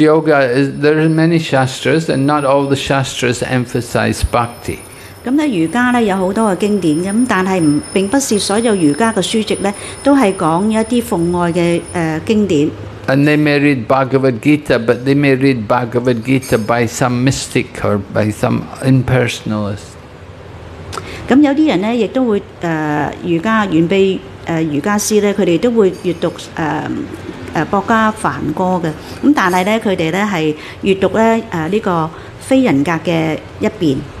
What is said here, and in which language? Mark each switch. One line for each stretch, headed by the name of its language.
English: yoga, there are many shastras, and not all the shastras emphasize bhakti.
Chinese: 瑜伽有很多的经典，但并不是所有瑜伽的书籍都是讲一些奉爱的经典。
English: And they may read Bhagavad Gita, but they may read Bhagavad Gita by some mystic or by some impersonalist.
Chinese: 有些人也会瑜伽师，他们都会阅读博家梵歌，但是他们是阅读非人格的一边。